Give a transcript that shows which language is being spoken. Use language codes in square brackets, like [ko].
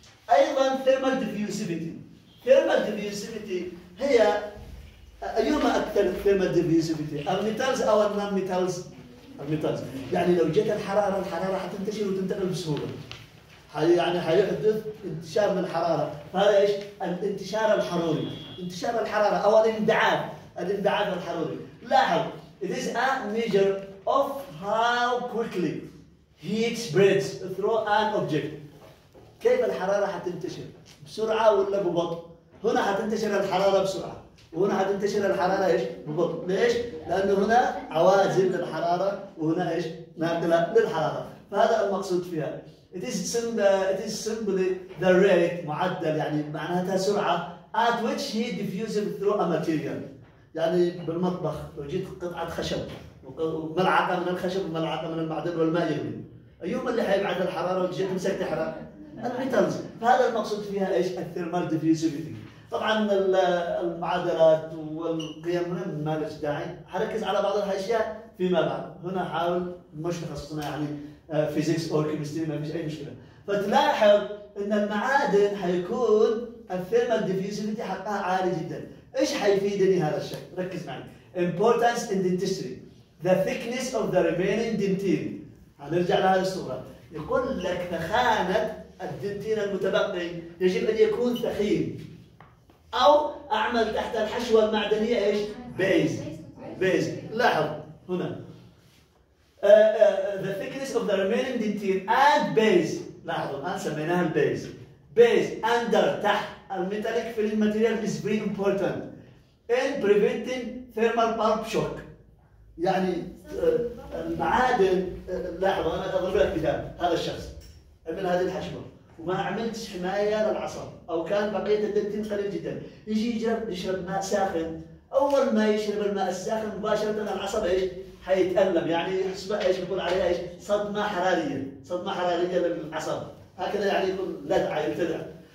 [ar] ايضا ثيرمال ديفيوسيفيتي، ثيرمال ديفيوسيفيتي هي ايهما اكثر ثيرمال ديفيوسيفيتي؟ الميتالز او النان ميتالز؟ الميتالز، يعني لو جت الحرارة حتنتشر وتنتقل بسهولة. يعني حيحدث انتشار من الحرارة، فهذا ايش؟ الانتشار الحراري، انتشار الحرارة او الاندعاب. الانبعاد الحراري. [en] لاحظ it is a measure of how quickly heat spreads through an object. [ar] كيف الحرارة حتنتشر؟ بسرعة ولا ببطء؟ هنا حتنتشر الحرارة بسرعة، وهنا حتنتشر الحرارة ايش؟ ببطء. ليش؟ لأنه هنا عوازل للحرارة وهنا ايش؟ ناقلة للحرارة. فهذا المقصود فيها. [en] It is simply the rate معدل، [ar] يعني معناتها سرعة [en] at which heat diffuses through a material. [ar] يعني بالمطبخ لو جيت قطعة خشب وملعقة من الخشب وملعقة من المعدن والماء يغلي، أيهما اللي حيبعد الحرارة لو جيت مسكت تحرق؟ الميتالز. فهذا المقصود فيها ايش؟ الثيرمال ديفيوسيفيتي. طبعا المعادلات والقيم ما لهاش داعي، حركز على بعض الأشياء فيما بعد، هنا حاول مش تخصصنا يعني فيزيكس أو كيمستري ما فيش أي مشكلة. فتلاحظ أن المعادن حيكون الثيرمال ديفيوسيفيتي حقها عالي جدا. ايش حيفيدني هذا الشيء؟ ركز معي. [en] Importance in dentistry. The thickness of the remaining dentine. [ar] هنرجع لهذه الصورة. يقول لك ثخانة الدنتين المتبقي يجب ان يكون ثخين. او اعمل تحت الحشوة المعدنية ايش؟ بيز. لاحظ هنا. [en] The thickness of the remaining dentine and base. [ar] لاحظوا الان سميناها البيز. بيز اندر تحت. [en] الميتاليك film material is very important in preventing thermal pulp shock. [ar] يعني المعادن، لاحظوا انا اضرب لك مثال، هذا الشخص عمل هذه الحشوه وما عملتش حمايه للعصب او كان بقيه الدنتين قليل جدا، يجي يشرب ماء ساخن، اول ما يشرب الماء الساخن مباشره العصب ايش؟ حيتالم، يعني ايش بقول عليها ايش؟ صدمه حراريه للعصب، هكذا يعني يكون لذعه يبتلع.